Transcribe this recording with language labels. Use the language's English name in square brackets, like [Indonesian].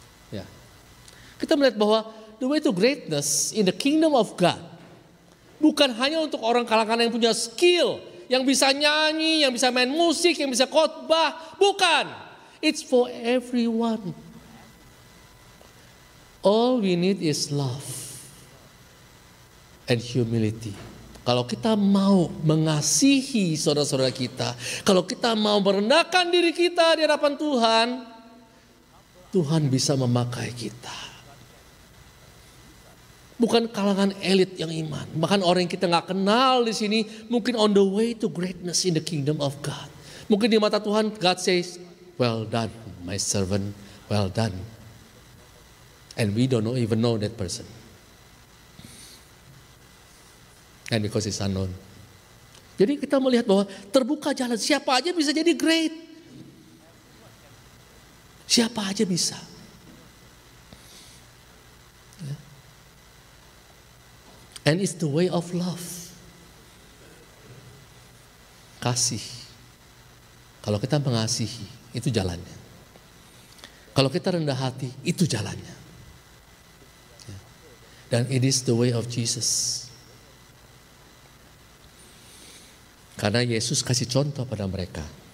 [Indonesian] Ya. Kita melihat bahwa [English] the way to greatness in the kingdom of God [Indonesian] bukan hanya untuk orang kalangan yang punya skill, yang bisa nyanyi, yang bisa main musik, yang bisa khotbah. Bukan. [English] It's for everyone. All we need is love and humility. [Indonesian] Kalau kita mau mengasihi saudara-saudara kita, kalau kita mau merendahkan diri kita di hadapan Tuhan, Tuhan bisa memakai kita. Bukan kalangan elit yang iman. Bahkan orang yang kita gak kenal di sini, mungkin [English] on the way to greatness in the kingdom of God. [Indonesian] Mungkin di mata Tuhan, [English] God says, well done, my servant, well done. And we don't even know that person. And because it's unknown. [Indonesian] Jadi kita melihat bahwa terbuka jalan, siapa aja bisa jadi great. Siapa aja bisa. [English] And it's the way of love. [Indonesian] Kasih. Kalau kita mengasihi, itu jalannya. Kalau kita rendah hati, itu jalannya. Dan [English] it is the way of Jesus. [Indonesian] Karena Yesus kasih contoh pada mereka.